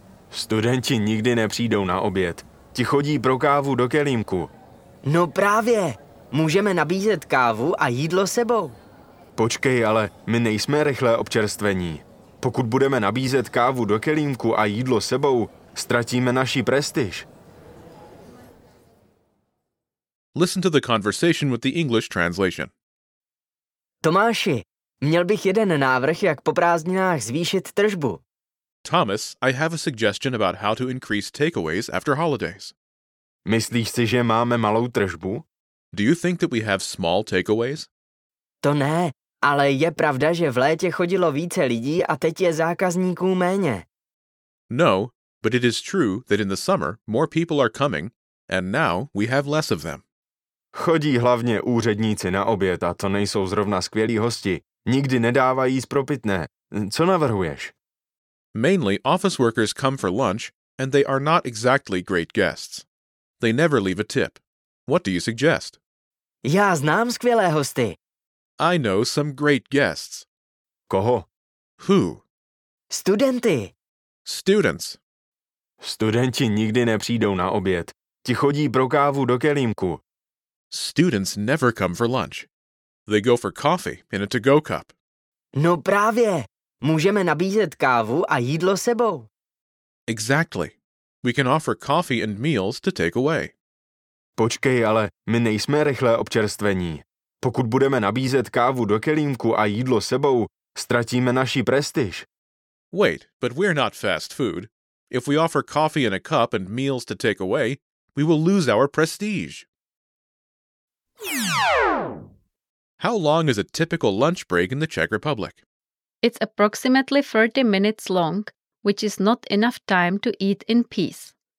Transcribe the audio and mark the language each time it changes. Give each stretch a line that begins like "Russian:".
Czech: Studenti nikdy nepřijdou na oběd. Ti chodí pro kávu do kelímku. No právě. Můžeme nabízet kávu a jídlo sebou. Počkej, ale my nejsme rychlé občerstvení. Pokud budeme nabízet kávu do kelímku a jídlo sebou, ztratíme naši prestiž.
English: Listen to the conversation with the English translation.
Czech: Tomáši. Měl bych jeden návrh, jak po prázdninách zvýšit tržbu.
English: Thomas, I have a suggestion about how to increase takeaways after holidays.
Czech: Myslíš si, že máme malou tržbu?
English: Do you think that we have small takeaways?
Czech: To ne, ale je pravda, že v létě chodilo více lidí a teď je zákazníků méně.
English: No, but it is true that in the summer more people are coming and now we have less of them.
Czech: Chodí hlavně úředníci na oběd a to nejsou zrovna skvělí hosti. Nikdy nedávají z propitné. Co navrhuješ?
English: Mainly, office workers come for lunch, and they are not exactly great guests. They never leave a tip. What do you suggest?
Czech: Já znám skvělé hosty.
English: I know some great guests.
Czech: Koho?
English: Who?
Czech: Studenty.
English: Students.
Czech: Studenti nikdy nepřijdou na oběd. Ti chodí pro kávu do kelímku.
English: Students never come for lunch. They go for coffee in a to-go cup.
Czech: No právě. Můžeme nabízet kávu a jídlo sebou.
English: Exactly. We can offer coffee and meals to take away.
Czech: Počkej, ale my nejsme rychlé občerstvení. Pokud budeme nabízet kávu do kelímku a jídlo sebou, ztratíme naši prestiž.
English: Wait, but we're not fast food. If we offer coffee in a cup and meals to take away, we will lose our prestige. How long is a typical lunch break in the Czech Republic? It's approximately 30 minutes long, which is not enough time to eat in peace.